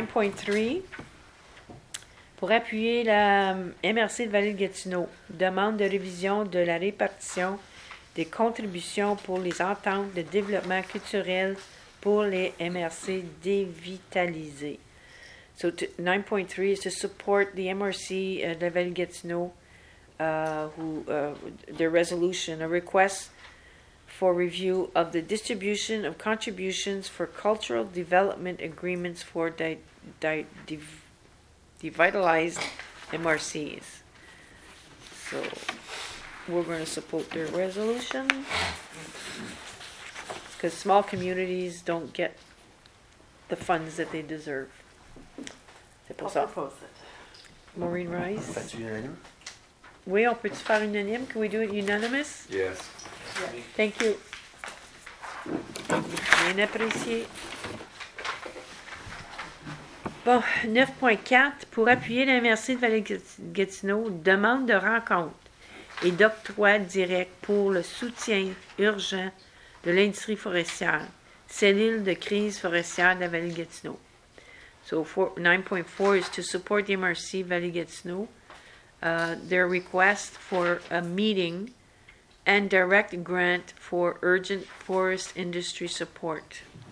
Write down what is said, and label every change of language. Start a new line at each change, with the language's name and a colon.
French: 9.3. Pour appuyer la MRC de Vallée de Gatineau, demande de révision de la répartition des contributions pour les ententes de développement culturel pour les MRC dévitalisées.
English: So, 9.3 is to support the MRC de la Vallée Gatineau, their resolution, a request for review of the distribution of contributions for cultural development agreements for devitalized MRCs. So, we're going to support their resolution because small communities don't get the funds that they deserve.
French: C'est pour ça. Maureen Rice. On peut-tu unanime? Oui, on peut-tu faire unanime?
English: Can we do it unanimous? Yes. Yes. Thank you.
French: Bien apprécié. Bon, 9.4. Pour appuyer la MRC de Vallée-Gatineau, demande de rencontre et d'octroi direct pour le soutien urgent de l'industrie forestière. C'est l'île de crise forestière de la Vallée-Gatineau.
English: So 9.4 is to support the MRC Vallée-Gatineau, their request for a meeting and direct grant for urgent forest industry support.